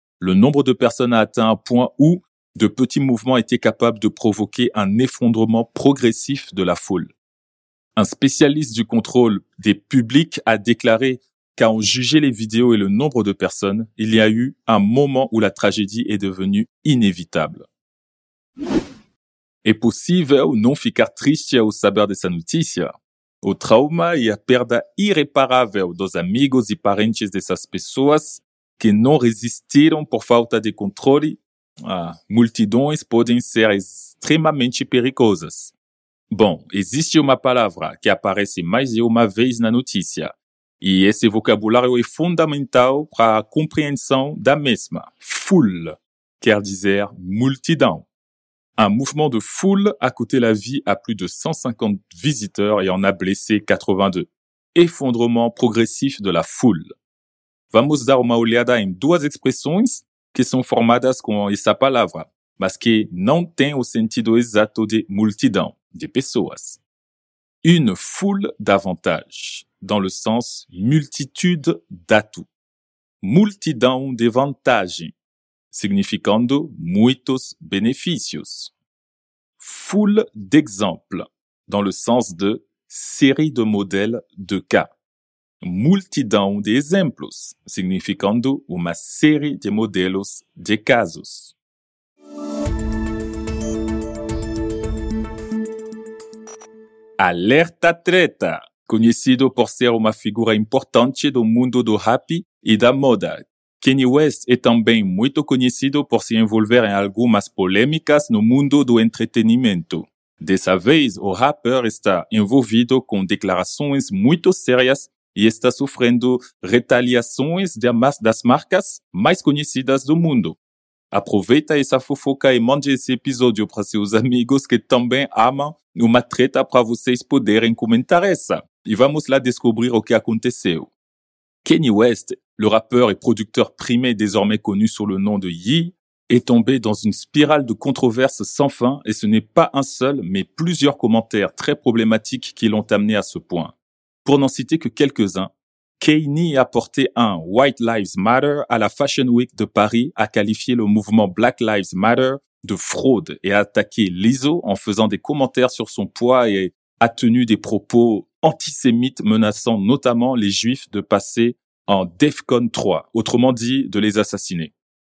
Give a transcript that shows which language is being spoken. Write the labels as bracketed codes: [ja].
[fr] Le nombre de personnes a atteint un point où de petits mouvements étaient capables de provoquer un effondrement progressif de la foule. Un spécialiste du contrôle des publics a déclaré qu'à en juger les vidéos et le nombre de personnes, il y a eu un moment où la tragédie est devenue inévitable. [pt] É possível não ficar triste ao saber dessa notícia? O trauma e a perda irreparável dos amigos e parentes dessas pessoas que não resistiram por falta de controle? Multidões podem ser extremamente perigosas. Bom, existe uma palavra que aparece mais de uma vez na notícia. E esse vocabulário é fundamental para a compreensão da mesma. Foule quer dizer multidão. [fr] Un mouvement de foule a coûté la vie à plus de 150 visiteurs et en a blessé 82. Effondrement progressif de la foule. [pt] Vamos dar uma olhada em duas expressões que são formadas com essa palavra, mas que não têm o sentido exato de multidão, de pessoas. [fr] Une foule d'avantage, dans le sens multitude d'atouts. [pt] Multidão de vantagem. Significando muitos benefícios. [fr] Foule d'exemple, dans le sens de série de modèles de cas. [pt] Multidão de exemplos, significando uma série de modelos de casos. Alerta treta, conhecido por ser uma figura importante do mundo do rap e da moda. Kanye West é também muito conhecido por se envolver em algumas polêmicas no mundo do entretenimento. Dessa vez, o rapper está envolvido com declarações muito sérias e está sofrendo retaliações das marcas mais conhecidas do mundo. Aproveita essa fofoca e mande esse episódio para seus amigos que também amam uma treta para vocês poderem comentar essa. E vamos lá descobrir o que aconteceu. [fr] Kanye West, le rappeur et producteur primé désormais connu sous le nom de Ye, est tombé dans une spirale de controverses sans fin et ce n'est pas un seul, mais plusieurs commentaires très problématiques qui l'ont amené à ce point. Pour n'en citer que quelques-uns, Kanye a porté un « White Lives Matter » à la Fashion Week de Paris, a qualifié le mouvement « Black Lives Matter » de fraude et a attaqué Lizzo en faisant des commentaires sur son poids et a tenu des propos antisémites menaçant notamment les Juifs de passer en DEFCON 3, autrement dit de les assassiner.